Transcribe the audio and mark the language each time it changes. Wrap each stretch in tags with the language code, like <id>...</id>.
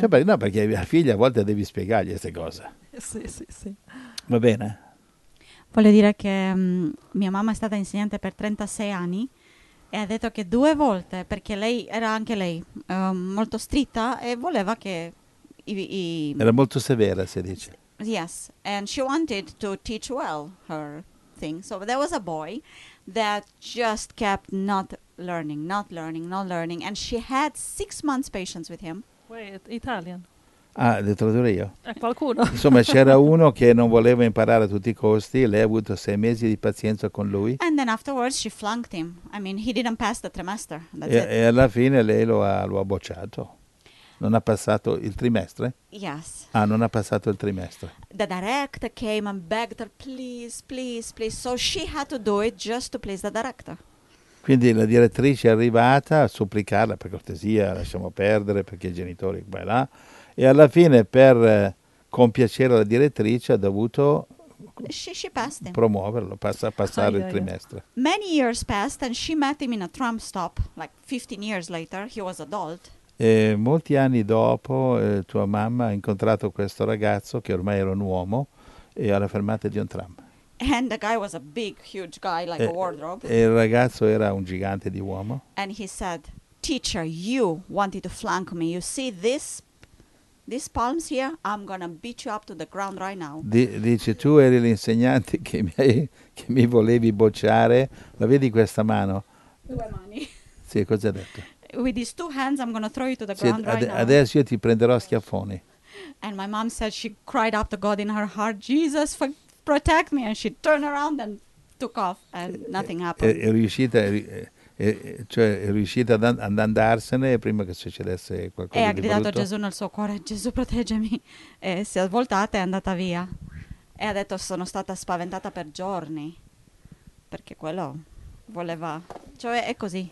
<it>Cioè, no, perché i figli a volte devi spiegargli queste cose. Sì, sì, sì. Va bene? Voglio dire che mia mamma è stata insegnante per 36 anni e ha detto che due volte, perché lei era anche lei molto stritta e voleva che... Era molto severa, si dice.</it> <en>Yes, and she wanted to teach well her thing. So there was a boy that just kept not learning. And she had 6 months patience with him. Wait, Italian.</en> <it>Ah, le tradurre io? È qualcuno. Insomma, c'era uno che non voleva imparare a tutti i costi. Lei ha avuto 6 mesi di pazienza con lui.</it> <en>And then afterwards she flunked him. I mean, he didn't pass the trimester.</en> <it>E alla fine lei lo ha bocciato. Non ha passato il trimestre?</it> <en>Yes.</en> <it>Ah, non ha passato il trimestre.</it> <en>The director came and begged her, please, please, please. So she had to do it just to please the director.</en> <it>Quindi la direttrice è arrivata a supplicarla, per cortesia, lasciamo perdere, perché i genitori, qua e là. E alla fine, per compiacere la direttrice, ha dovuto...</it> <en>She passed him.</en> <it>Promuoverlo, passare il trimestre.</it> <en>Many years passed and she met him in a tram stop, like 15 years later, he was adult.</en> <it>E molti anni dopo tua mamma ha incontrato questo ragazzo che ormai era un uomo e alla fermata di un tram.</it> <en>And the guy was a big, huge guy, like a wardrobe.</en> <it>E il ragazzo era un gigante di uomo.</it> <en>And he said, teacher, you wanted to flank me. You see these palms here? I'm gonna beat you up to the ground right now.</en> <it>Dice, tu eri l'insegnante che mi volevi bocciare. La vedi questa mano? Due mani. Sì, cosa ha detto?</it> <en>With these two hands, I'm gonna throw you to the ground right now.</en> <it>Adesso io ti prenderò a schiaffoni.</it> <en>And my mom said she cried up to God in her heart, Jesus, protect me, and she turned around and took off, and nothing happened.</en> <it>È riuscita ad andarsene prima che succedesse qualcosa. E ha gridato Gesù nel suo cuore, Gesù proteggimi, e si è voltata e è andata via. E ha detto sono stata spaventata per giorni, perché quello voleva, cioè è così.</it>